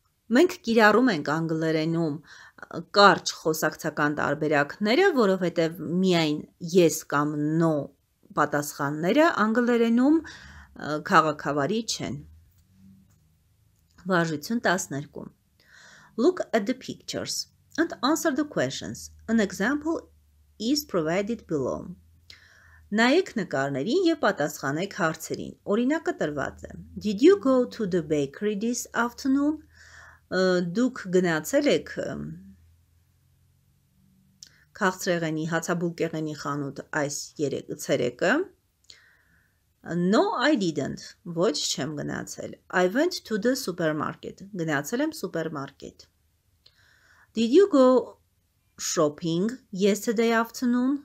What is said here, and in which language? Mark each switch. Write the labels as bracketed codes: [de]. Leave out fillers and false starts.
[hy] Մենք կիրառում ենք անգլերենում կարճ խոսակցական տարբերակները, որովհետև միայն yes կամ no պատասխանները անգլերենում քաղաքավարի չեն։ Վարժություն 12. [en] Look at the pictures and answer the questions. An example is provided below. [hy] Նայեք նկարներին եւ պատասխանեք հարցերին։ Օրինակը տրված է. [en] Did you go to the bakery this afternoon? [hy] Դուք գնացել եք քաղցրեղենի, հացաբուլկեղենի խանութ այս ցերեկը? [en] No, I didn't. [hy] Ոչ, չեմ գնացել. [en] I went to the supermarket. [hy] Գնացել եմ սուպերմարկետ։ [en] Did you go shopping yesterday afternoon?